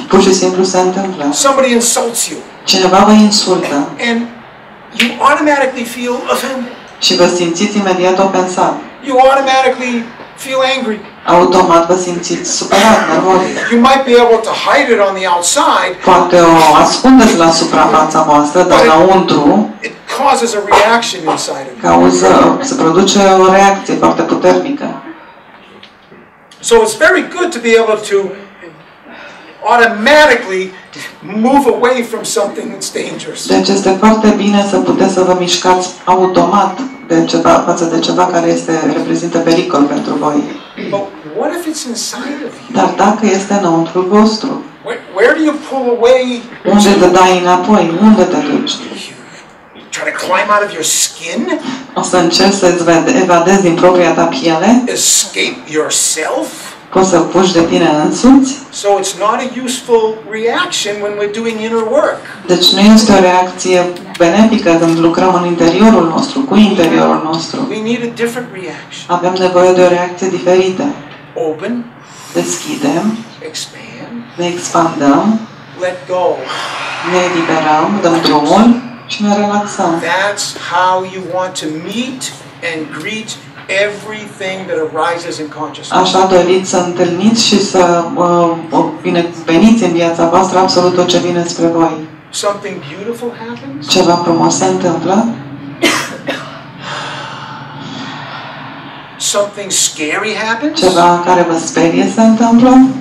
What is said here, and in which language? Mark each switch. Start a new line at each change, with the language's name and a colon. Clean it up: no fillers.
Romanian: Pur și simplu se întâmplă.
English: Somebody insults you.
Romanian: Cineva vă insultă.
English: And you automatically feel offended.
Romanian: Și vă simțiți imediat ofensat.
English: You automatically feel angry.
Romanian: Automat vă simțiți supărat, nervos.
English: You might be able to hide it on the outside.
Romanian: Poate o ascundeți la suprafața voastră, dar înăuntru
English: it causes a reaction inside of you.
Romanian: Cauză, se produce o reacție foarte puternică.
English: So it's very good to be able to automatically move away from something that's dangerous.
Romanian: Deci este foarte bine să puteți să vă mișcați automat de ceva, față de ceva care este reprezintă pericol pentru voi.
English: But what if it's inside of you?
Romanian: Dar dacă este înăuntru vostru?
English: Where do you pull away?
Romanian: Unde te dai înapoi? Unde te duci?
English: Try to climb out of your skin?
Romanian: O să încerci să-ți evadezi din propria ta piele?
English: Escape yourself?
Romanian: Poți să fugi de tine însuți?
English: So it's not a useful reaction when we're doing inner work.
Romanian: Deci nu este o reacție benefică când lucrăm în interiorul nostru, cu interiorul nostru.
English: We need a different reaction.
Romanian: Avem nevoie de o reacție diferită.
English: Open.
Romanian: Deschidem.
English: Expand.
Romanian: Ne expandăm.
English: Let go.
Romanian: Ne eliberăm, dăm drumul și ne relaxăm.
English: That's how you want to meet and greet everything that arises in consciousness.
Romanian: Așa doriți să întâlniți și să veniți în viața voastră absolut tot ce vine spre voi.
English: Something beautiful happens.
Romanian: Ceva frumos se întâmplă.
English: Something scary happens.
Romanian: Ceva care vă sperie se întâmplă.